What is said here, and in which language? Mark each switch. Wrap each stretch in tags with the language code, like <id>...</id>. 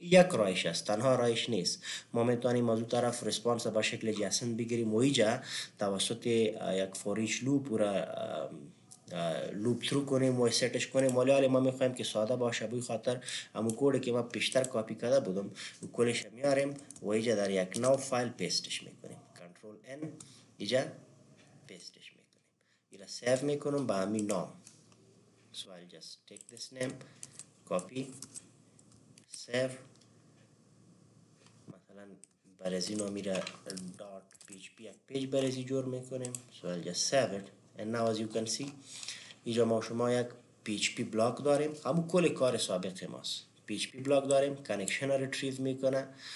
<fa>یک رایش است، تنها رایش نیست. ما میتونیم از اون طرف رسپانس را به شکل جسن بگیریم و اینجا توسط یک فوریچ لوپ را لوپ ثرو کنیم و سیتش کنیم. ولی حالی ما میخواییم که ساده باشه، بوی خاطر امو کود که ما پیشتر کاپی کرده بودم و کلش میاریم و ایجا در یک نو فایل پیستش میکنیم. کنترول N ایجا پیستش میکنیم. این را سیف میکنم با همین نام.</fa> <en>So I'll just take this name, copy, save.</en> <fa>مثلا برزی نامی را dot php یک پیج برزی جور میکنم.</fa> <en>So I'll just save it. And now as you can see,</en> <fa>اینجا ما شما یک php بلاک داریم. همون کل کار سابق ماست. php بلاک داریم. کانکشن را ریتریف میکنه.</fa>